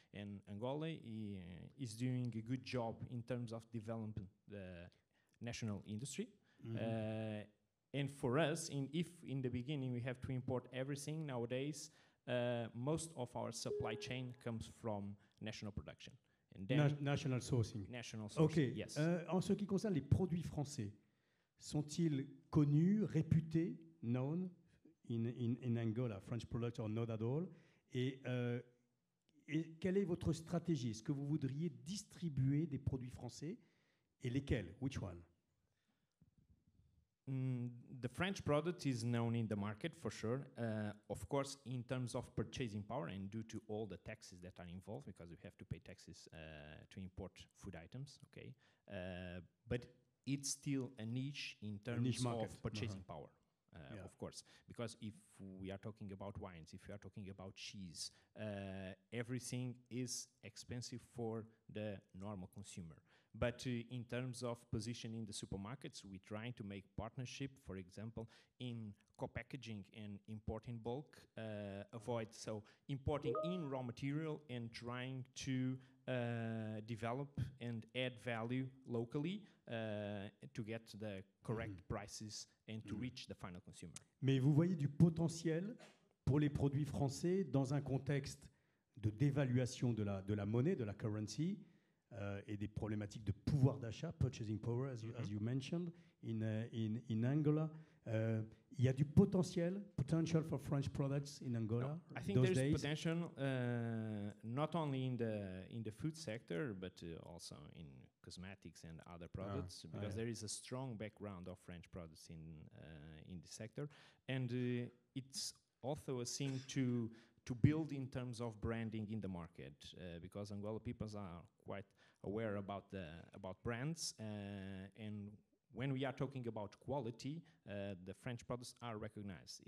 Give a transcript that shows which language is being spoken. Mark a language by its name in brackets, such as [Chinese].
[English] And Angola is doing a good job in terms of developing the national industry. And for us, if in the beginning we have to import everything, nowadays most of our supply chain comes from national production. And then national sourcing. National sourcing, okay. Yes. [French] En ce qui concerne les produits français, sont-ils connus, réputés, [English] known in Angola, French products or not at all? [French] Et quelle est votre stratégie? Est-ce que vous voudriez distribuer des produits français? Et lesquels? [English] Which one? The French product is known in the market for sure. Of course, in terms of purchasing power and due to all the taxes that are involved, because we have to pay taxes to import food items, okay? But it's still a niche in terms niche of purchasing uh-huh. power, yeah. Of course. Because if we are talking about wines, if we are talking about cheese, everything is expensive for the normal consumer. But in terms of position in the supermarkets, we're trying to make partnership, for example, in co-packaging and importing bulk, avoid so importing in raw material and trying to develop and add value locally to get the correct prices and to reach the final consumer. [French] Mais vous voyez du potentiel pour les produits français dans un contexte de dévaluation de la monnaie, de la currency, et des problématiques de pouvoir d'achat, [English] purchasing power, as you mentioned, in Angola. [French] Il y a du [English] potential for French products in Angola? No, I think there is potential not only in the food sector, but also in cosmetics and other products, because there is a strong background of French products in the sector. And it's also a thing to build in terms of branding in the market, because Angola people are quite aware about brands, and when we are talking about quality, the French products are recognized.